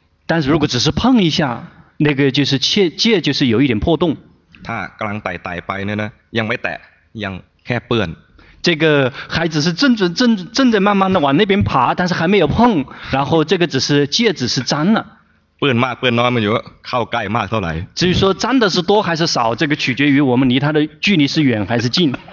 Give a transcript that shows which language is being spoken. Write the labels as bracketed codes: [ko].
[zh] 但是如果只是碰一下那个就是戒就是有一点破洞 [th] ถ้ากำลังไต่ไปเนี่ยนะยังไม่แตะยังแค่เปื้อน [zh] 这个孩子是正着慢慢的往那边爬但是还没有碰然后这个只是戒指是沾了 [th] เปื้อนมากเปื้อนน้อยมันอยู่เข้าใกล้มากเท่าไหร่ [zh] 至于说沾的是多还是少这个取决于我们离它的距离是远还是近